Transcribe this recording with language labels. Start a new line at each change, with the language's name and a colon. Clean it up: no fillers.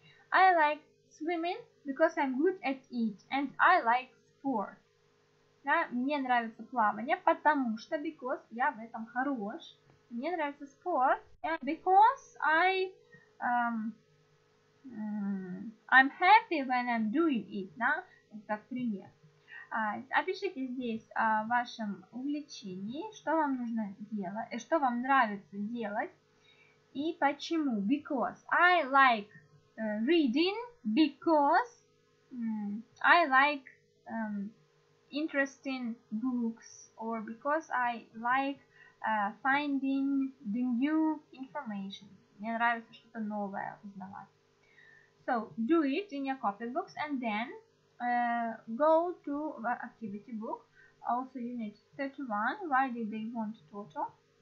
English: I like swimming because I'm good at it, and I like sport.
Russian: Да, мне нравится плавание, потому что, because я в этом хорош. Мне нравится спорт.
English: And because I, I'm happy when I'm doing it. Да?
Russian: как пример. Опишите здесь о вашем увлечении, что вам нужно делать, что вам нравится делать и почему.
English: Because I like reading, because I like interesting books, or because I like finding the new information.
Russian: Мне нравится что-то новое узнавать.
English: So, do it in your copybooks and then go to the activity book, also unit 31, why did they want Toto?